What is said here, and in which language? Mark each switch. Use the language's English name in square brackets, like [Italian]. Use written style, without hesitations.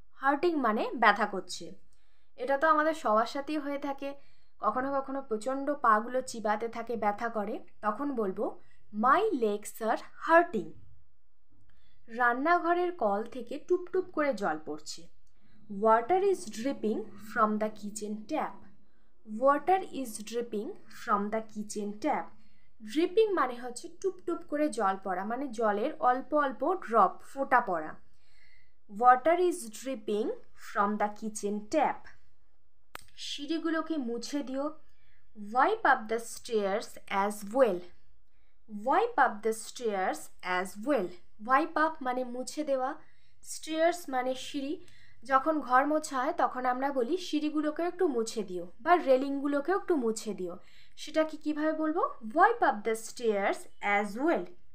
[Bangla] Hurting মানে ব্যথা করছে। এটা তো আমাদের সবার সাথেই হয়ে থাকে। কখনো কখনো প্রচণ্ড পাগুলো চিবাতে থাকে, ব্যথা করে, তখন বলবো [English] My legs are hurting. [Bangla] রান্নাঘরের কল থেকে টুপটুপ করে জল পড়ছে। [English] Water is dripping from the kitchen tap. Water is dripping from the kitchen tap. [Bangla] Dripping মানে হচ্ছে টুপটুপ করে জল পড়া, মানে জলের অল্প অল্প ড্রপ, ফোঁটা পড়া। [English] Water is dripping from the kitchen tap. [Bangla] সিঁড়িগুলোকে মুছে দিও। [English] Wipe up the stairs as well. Wipe up the stairs as well. Wipe up [Bangla] মানে মুছে দেওয়া, stairs মানে সিঁড়ি। যখন ঘর মোছা হয় তখন আমরা বলি সিঁড়িগুলোকে একটু মুছে দিও বা রেলিংগুলোকে একটু মুছে দিও। সেটাকে কিভাবে বলবো? [English] Wipe up the stairs as well.